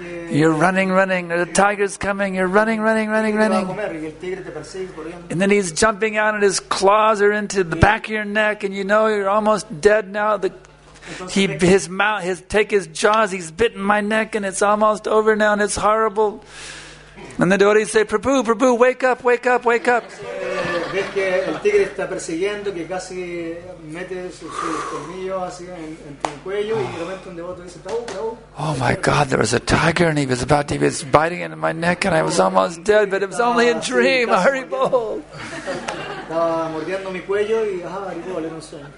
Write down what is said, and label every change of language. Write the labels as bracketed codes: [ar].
[en] You're running, the tiger's coming, you're running. And then he's jumping out and his claws are into the back of your neck and you know you're almost dead now. His jaws, he's bitten my neck and it's almost over now and it's horrible. And the devotees say, Prabhu, wake up. [es] Ves que el tigre está persiguiendo, que casi mete sus colmillos así en tu cuello, y de repente un devoto dice, Prabhu. [en] Oh my God, there was a tiger and he was biting into my neck and I was almost dead, but it was only a dream, hurry bowl. [es] Estaba mordiendo mi cuello y hurry bowl, era un sueño.